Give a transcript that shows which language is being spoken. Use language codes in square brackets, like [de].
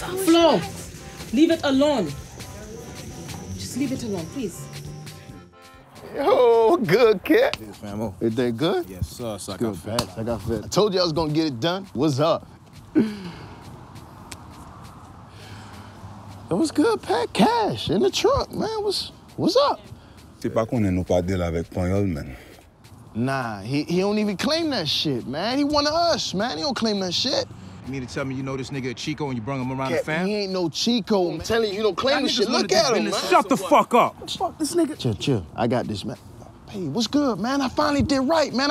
[en] Flo, leave it alone. Just leave it alone, please. Oh, good cat. Is that good? Yes, sir. So I got fat. I got fat. I told you I was going to get it done. What's up? It was good, pack cash in the truck, man. What's up? [ht] Si pa konnen nou pa deal avec Poyol, man. [en] Nah, he don't even claim that shit, man. He one of us, man. He don't claim that shit. You mean to tell me you know this nigga Chico and you brung him around the fam? He ain't no Chico, man. I'm telling you, you don't claim that shit. Look at him, man. Shut the fuck up. Fuck this nigga. Chill. I got this, man. Hey, what's good, man? I finally did right, man.